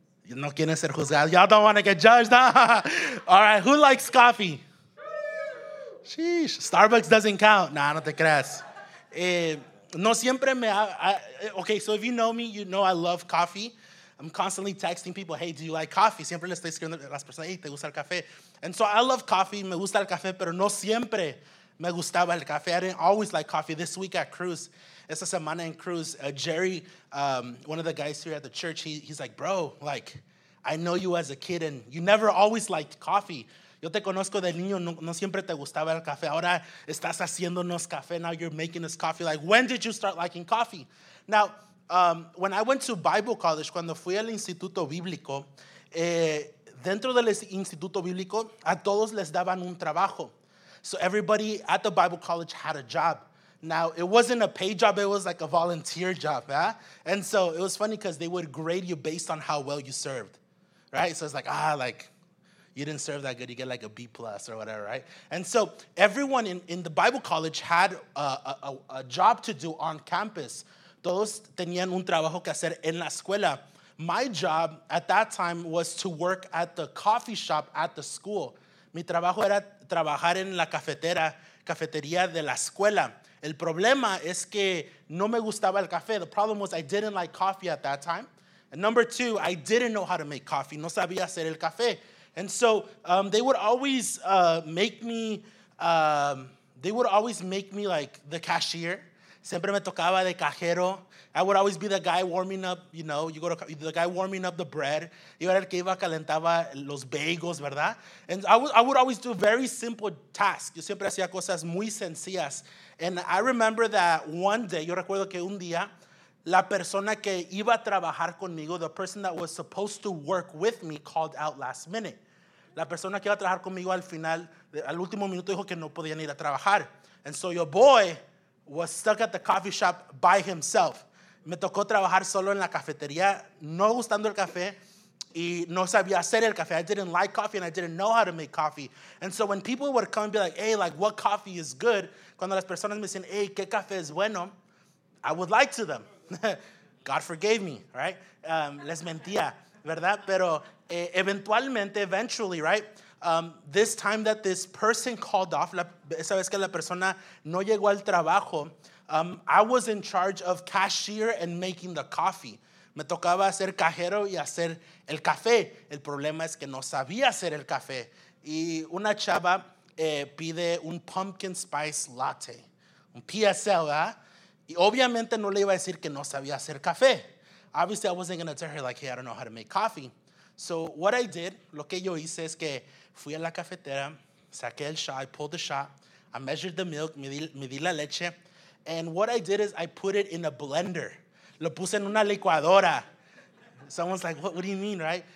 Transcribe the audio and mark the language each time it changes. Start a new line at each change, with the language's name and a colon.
Spanish: No quieren ser juzgados.
English: Y'all don't want to get judged. Huh? All right, who likes coffee? Sheesh, Starbucks doesn't count.
Spanish: Nah, no te creas. No siempre me...
English: Okay, so if you know me, you know I love coffee. I'm constantly texting people, hey, do you like coffee?
Spanish: Siempre le estoy escribiendo a las personas, hey, ¿te gusta el café?
English: And so I love coffee,
Spanish: me gusta el café, pero no siempre me gustaba el café.
English: I didn't always like coffee. This week at Cruz,
Spanish: esta semana en Cruz,
English: Jerry, one of the guys here at the church, he's like, bro, like, I know you as a kid and you never always liked coffee.
Spanish: Yo te conozco de niño, no siempre te gustaba el café. Ahora estás haciéndonos café.
English: Now you're making us coffee. Like, when did you start liking coffee? Now, when I went to Bible college,
Spanish: cuando fui al Instituto Bíblico, dentro del Instituto Bíblico, a todos les daban un trabajo.
English: So everybody at the Bible college had a job. Now, it wasn't a paid job. It was like a volunteer job. Yeah? And so it was funny because they would grade you based on how well you served. Right? So it's like, you didn't serve that good. You get like a B+ or whatever, right? And so everyone in the Bible college had a job to do on campus.
Spanish: Todos tenían un trabajo que hacer en la escuela.
English: My job at that time was to work at the coffee shop at the school.
Spanish: Mi trabajo era trabajar en la cafetería de la escuela. El problema es que no me gustaba el café.
English: The problem was I didn't like coffee at that time. And number two, I didn't know how to make coffee.
Spanish: No sabía hacer el café.
English: And so they would always make me like the cashier.
Spanish: Siempre me tocaba de cajero.
English: I would always be the guy warming up, you know, you go to the guy warming up the bread.
Spanish: Yo era el que iba calentaba los bagels, ¿verdad?
English: And I would always do very simple tasks.
Spanish: Yo siempre hacía cosas muy sencillas.
English: And I remember that one day,
Spanish: yo recuerdo que un día, la persona que iba a trabajar conmigo,
English: the person that was supposed to work with me, called out last minute.
Spanish: La persona que iba a trabajar conmigo al final, al último minuto, dijo que no podían ir a trabajar.
English: And so your boy was stuck at the coffee shop by himself.
Spanish: Me tocó trabajar solo en la cafetería, no gustando el café, y no sabía hacer el café.
English: I didn't like coffee, and I didn't know how to make coffee. And so when people would come and be like, hey, like, what coffee is good?
Spanish: Cuando las personas me decían, hey, ¿qué café es bueno?
English: I would lie to them. God forgave me, right?
Spanish: Les mentía, ¿verdad?
English: Pero eventually, right? This time that this person called off,
Spanish: esa vez que la persona no llegó al trabajo,
English: I was in charge of cashier and making the coffee.
Spanish: Me tocaba hacer cajero y hacer el café. El problema es que no sabía hacer el café. Y una chava pide un pumpkin spice latte, un PSL, ¿verdad? Y obviamente no le iba a decir que no sabía hacer café.
English: Obviously, I wasn't going to tell her, like, hey, I don't know how to make coffee. So what I did,
Spanish: lo que yo hice es que fui a la cafetera, saqué el shot,
English: I pulled the shot, I measured the milk,
Spanish: medí la leche,
English: and what I did is I put it in a blender.
Spanish: Lo puse en una licuadora.
English: Someone's like, what do you mean, right?